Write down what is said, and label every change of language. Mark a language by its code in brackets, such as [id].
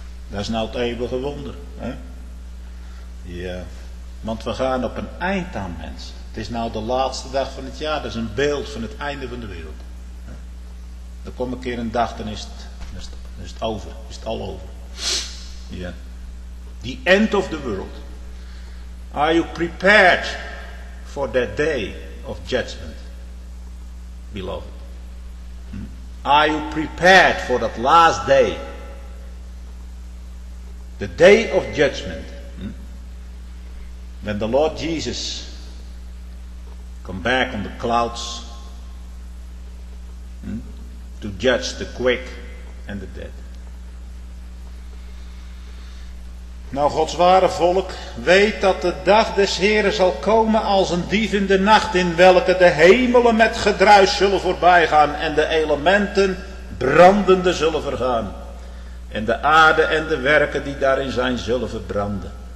[nl] Dat is nou het eeuwige wonder. Hè? Ja. Want we gaan op een eind aan mensen. Het is nou de laatste dag van het jaar. Dat is een beeld van het einde van de wereld. Hè? Er komt een keer een dag, dan is het over. Is het al over. Ja. [en] The end of the world. Are you prepared for that day of judgment? Beloved. Are you prepared for that last day? The day of judgment. When the Lord Jesus come back on the clouds to judge the quick and the dead. [nl] Nou, Gods ware volk, weet dat de dag des Heren zal komen als een dief in de nacht, in welke de hemelen met gedruis zullen voorbijgaan en de elementen brandende zullen vergaan. En de aarde en de werken die daarin zijn zullen verbranden.